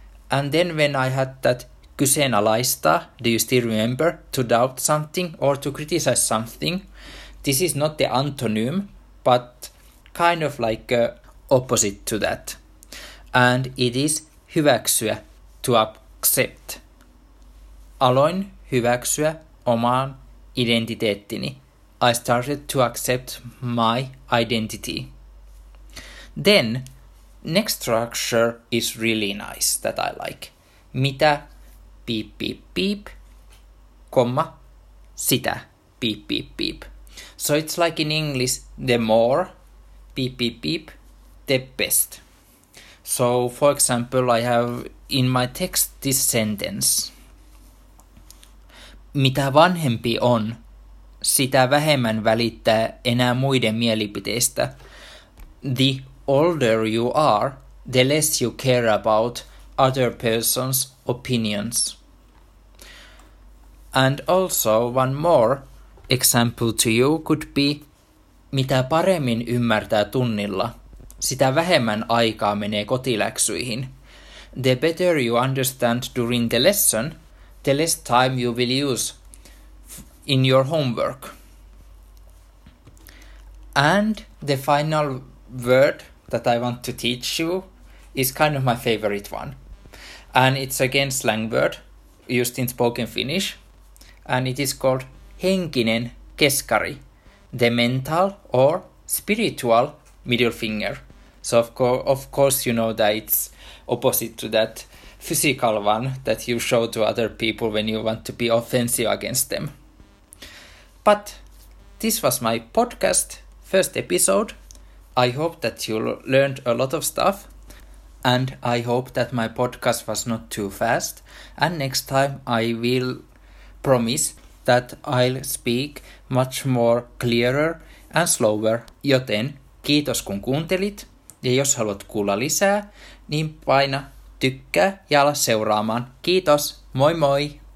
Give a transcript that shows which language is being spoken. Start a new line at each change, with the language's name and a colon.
English: And then when I had that kyseenalaistaa, do you still remember? To doubt something or to criticize something. This is not the antonym, but kind of like opposite to that. And it is hyväksyä, to accept.
Finnish: Aloin hyväksyä omaan identiteettini.
English: I started to accept my identity. Then, next structure is really nice that I like. Mitä, beep, beep, beep, comma, sitä, beep, beep, beep. So it's like in English, the more, beep, beep, beep, the best. So, for example, I have in my text this sentence.
Finnish: Mitä vanhempi on, sitä vähemmän välittää enää muiden mielipiteistä.
English: The older you are, the less you care about other person's opinions. And also, one more example to you could be,
Finnish: mitä paremmin ymmärtää tunnilla, sitä vähemmän aikaa menee kotiläksyihin.
English: The better you understand during the lesson, the less time you will use in your homework. And the final word that I want to teach you is kind of my favorite one. And it's again slang word used in spoken Finnish. And it is called henkinen keskari, the mental or spiritual middle finger. So of course you know that it's opposite to that physical one that you show to other people when you want to be offensive against them. But this was my podcast, first episode. I hope that you learned a lot of stuff. And I hope that my podcast was not too fast. And next time I will promise that I'll speak much more clearer and slower.
Finnish: Joten kiitos kun kuuntelit. Ja jos haluat kuulla lisää, niin paina tykkää ja ala seuraamaan. Kiitos, moi moi!